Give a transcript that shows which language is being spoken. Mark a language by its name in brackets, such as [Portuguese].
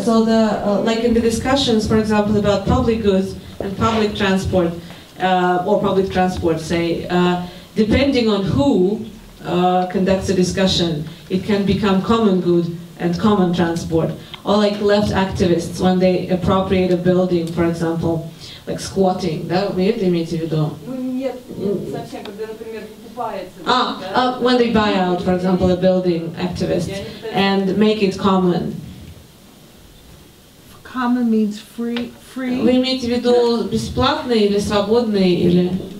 [English] So the, like in the discussions, for example, about public goods and public transport, or public transport, say, depending on who conducts a discussion, it can become common good and common transport. Or like left activists, when they appropriate a building, for example, like squatting. [Russian] Да, вы это имеете в виду? Ну, нет, совсем, когда, например, покупается. А, да? [English] When they buy out, for example, a building activist, and make it common. Common means free? [Russian] Вы имеете в виду бесплатный или свободный, или...